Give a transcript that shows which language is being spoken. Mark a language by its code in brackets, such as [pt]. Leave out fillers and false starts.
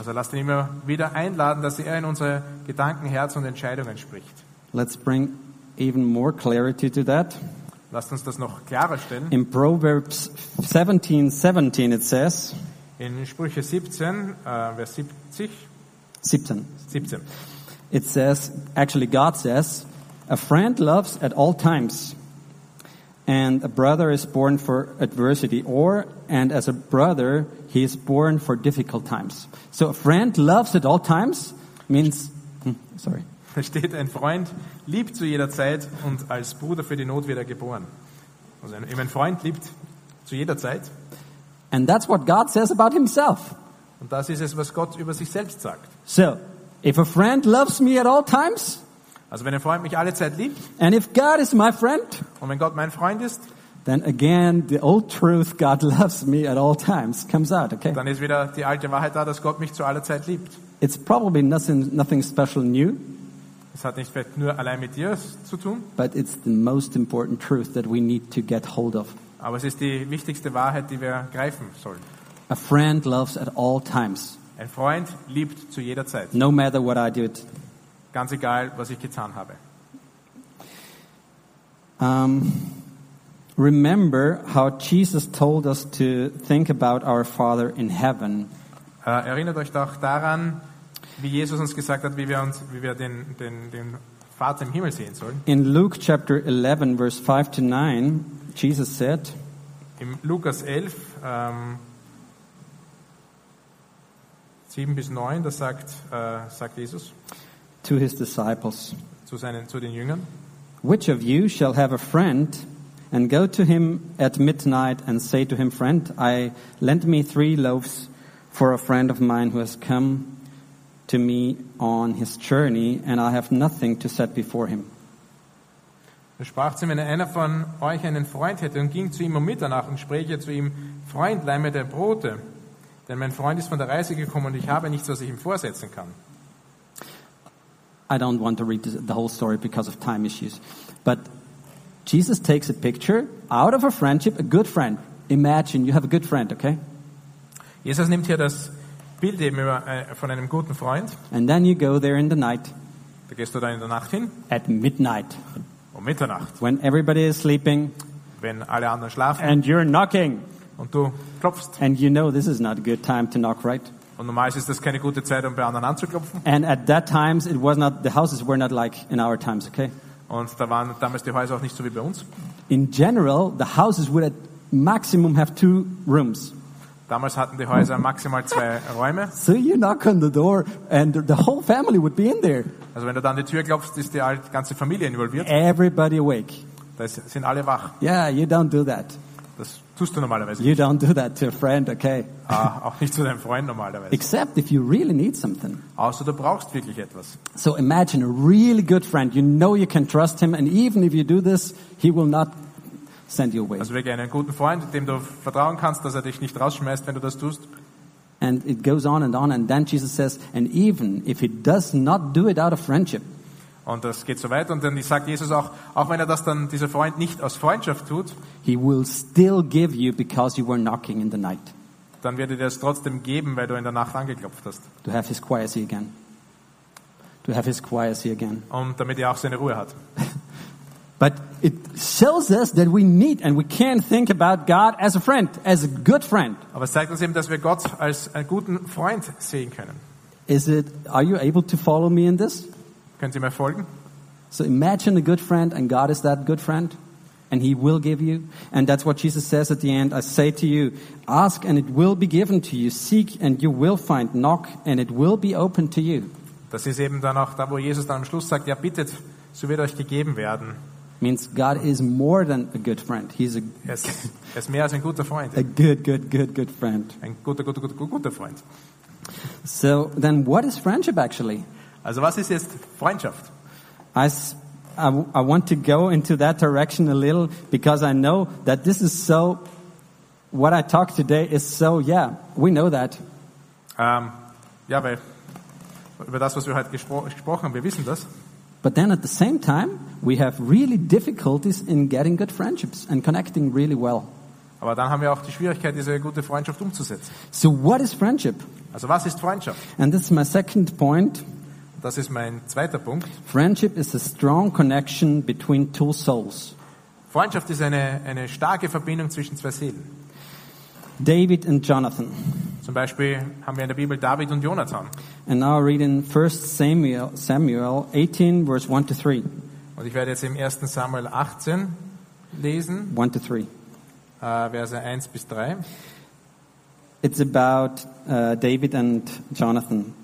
[de] Also lasst ihn immer wieder einladen, dass er in unsere Gedanken, Herz und Entscheidungen spricht. [en] Let's bring even more clarity to that. [de] Lasst uns das noch klarer stellen. [en] In Proverbs 17:17 it says, [de] in Sprüche 17, Vers 70, 17. 17. [en] It says, actually God says, a friend loves at all times, and a brother is born for adversity, or, and as a brother, he is born for difficult times. So a friend loves at all times means, sorry. [de] Da steht, ein Freund liebt zu jeder Zeit und als Bruder für die Not wird er geboren. Also ein Freund liebt zu jeder Zeit. [en] And that's what God says about himself. [de] Und das ist es, was Gott über sich selbst sagt. [en] So, if a friend loves me at all times, [de] also wenn ein Freund mich alle Zeit liebt, [en] and if God is my friend, [de] und wenn Gott mein Freund ist, [en] then again the old truth, God loves me at all times, comes out, okay? [de] Dann ist wieder die alte Wahrheit da, dass Gott mich zu aller Zeit liebt. [en] It's probably nothing special new. [de] Es hat nicht vielleicht nur allein mit dir zu tun. [en] But it's the most important truth that we need to get hold of. [de] Aber es ist die wichtigste Wahrheit, die wir greifen sollen. [en] A friend loves at all times. [de] Ein Freund liebt zu jeder Zeit. [en] No matter what I did. [de] Ganz egal, was ich getan habe. [en] Remember how Jesus told us to think about our Father in heaven. [de] Erinnert euch doch daran, wie Jesus uns gesagt hat, wie wir den Vater im Himmel sehen sollen. [en] In Luke chapter 11, verse 5 to 9, Jesus said, [de] in Lukas 11, 7 bis 9, das sagt Jesus, [en] to his disciples, [de] zu den Jüngern, [en] which of you shall have a friend and go to him at midnight and say to him, friend, I lend me 3 loaves for a friend of mine who has come to me on his journey, and I have nothing to set before him. [de] Er sprach zu ihm, wenn einer von euch einen Freund hätte und ging zu ihm um Mitternacht und spräche zu ihm, Freund, leih mir der Brote, denn mein Freund ist von der Reise gekommen und ich habe nichts, was ich ihm vorsetzen kann. [en] I don't want to read the whole story because of time issues, but Jesus takes a picture out of a friendship, a good friend. Imagine you have a good friend, okay? [de] Jesus nimmt hier das Bild eben über, von einem guten Freund. [en] And then you go there in the night. [de] Da gehst du da in der Nacht hin. [en] At midnight. [de] Um Mitternacht. [en] When everybody is sleeping. [de] Wenn alle anderen schlafen. [en] And you're knocking. [de] Und du klopfst. [en] And you know this is not a good time to knock, right? [de] Und normalerweise ist das keine gute Zeit, um bei anderen anzuklopfen. [en] And at that times it was not, the houses were not like in our times, okay? [de] Und da waren damals die Häuser auch nicht so wie bei uns. [en] In general, the houses would at maximum have 2 rooms. [de] Damals hatten die Häuser maximal 2 Räume. [en] So you knock on the door and the whole family would be in there. [de] Also wenn du dann die Tür klopfst, ist die ganze Familie involviert. [en] Everybody awake. [de] Da sind alle wach. [en] Yeah, you don't do that. [de] Das tust du normalerweise [en] you [de] nicht. [en] You don't do that to a friend, okay? [de] Auch nicht zu deinem Freund normalerweise. [en] Except if you really need something. [de] Außer du brauchst wirklich etwas. [en] So imagine a really good friend. You know you can trust him and even if you do this, he will not send you away. [de] Also wirklich einen guten Freund, dem du vertrauen kannst, dass er dich nicht rausschmeißt, wenn du das tust. [en] And it goes on and then Jesus says, and even if he does not do it out of friendship. [de] Und das geht so weit und dann sagt Jesus auch wenn er das dann dieser Freund nicht aus Freundschaft tut, [en] he will still give you because you were knocking in the night. [de] dann wird er dir es trotzdem geben, weil du in der Nacht angeklopft hast. [en] To have his quiet again. To have his quiet again. [de] Und damit er auch seine Ruhe hat. [en] But it tells us that we need and we can think about God as a friend, as a good friend. [de] Aber es zeigt uns eben, dass wir Gott als einen guten Freund sehen können. [en] Are you able to follow me in this? [de] Können Sie mir folgen? [en] So imagine a good friend and God is that good friend. And he will give you. And that's what Jesus says at the end. I say to you, ask and it will be given to you. Seek and you will find. Knock and it will be opened to you. [de] Das ist eben dann auch da, wo Jesus dann am Schluss sagt, ja bittet, so wird euch gegeben werden. [en] Means God is more than a good friend. He's a [de] er ist mehr als ein guter Freund. [en] A good friend. [de] Ein guter Freund. [en] So then what is friendship actually? [de] Also was ist jetzt Freundschaft? [en] I want to go into that direction a little because I know that this is so, what I talk today is so, yeah, we know that. [de] Ja, weil über das, was wir heute gesprochen haben, wir wissen das. [en] But then at the same time, we have really difficulties in getting good friendships and connecting really well. [de] Aber dann haben wir auch die Schwierigkeit, diese gute Freundschaft umzusetzen. [en] So what is friendship? [de] Also was ist Freundschaft? [en] And this is my second point. [de] Das ist mein zweiter Punkt. [en] Friendship is a strong connection between two souls. [de] Freundschaft ist eine starke Verbindung zwischen zwei Seelen. [en] David and Jonathan. [de] Zum Beispiel haben wir in der Bibel David und Jonathan. [en] And now I read in 1 Samuel 18, verse 1 to 3. [de] Und ich werde jetzt im 1. Samuel 18 lesen. [en] 1 to 3. [de] Verse 1 bis 3. [en] It's about David and Jonathan.